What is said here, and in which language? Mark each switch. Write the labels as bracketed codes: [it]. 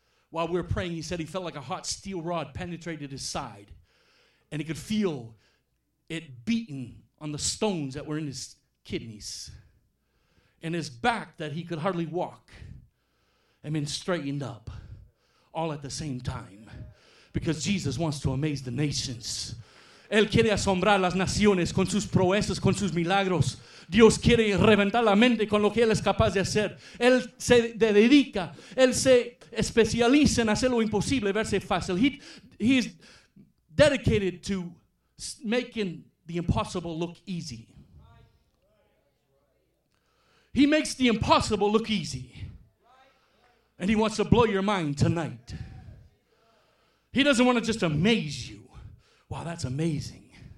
[en] While we were praying, he said he felt like a hot steel rod penetrated his side. And he could feel it beaten on the stones that were in his kidneys. And his back that he could hardly walk and then straightened up all at the same time. Because Jesus wants to amaze the nations. [es] Él quiere asombrar las naciones con sus proezas, con sus milagros. Dios quiere reventar la mente con lo que Él es capaz de hacer. Él se dedica, Él se especializa en hacer lo imposible, verse fácil. [en] He is dedicated to making the impossible look easy. He makes the impossible look easy. And he wants to blow your mind tonight. He doesn't want to just amaze you. Wow, that's amazing.